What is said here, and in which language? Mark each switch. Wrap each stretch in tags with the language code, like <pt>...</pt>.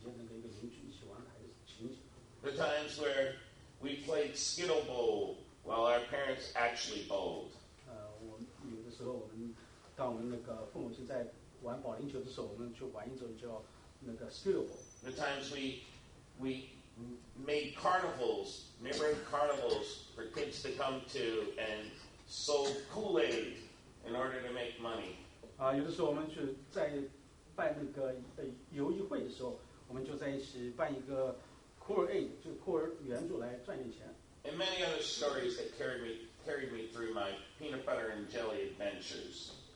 <zh>那我经常会想起来，我跟他一起玩牌，和他的兄弟以及那个邻居一起玩牌的情景。</zh> <en>The times where we played skittle bowl while our parents actually bowled.</en> <zh>我有的时候我们。当我们那个父母亲在玩保龄球的时候，我们去玩一种叫那个 skittleball.</zh> <en>The times we made carnivals, neighborhood carnivals for kids to come to and sold Kool-Aid in order to make money.</en> <zh>有的时候我们去在办那个游艺会的时候，我们就在一起办一个 Kool-Aid, 就库尔援助来赚点钱。</zh> <en>And many other stories that carried me through my peanut butter and jelly adventures.</en>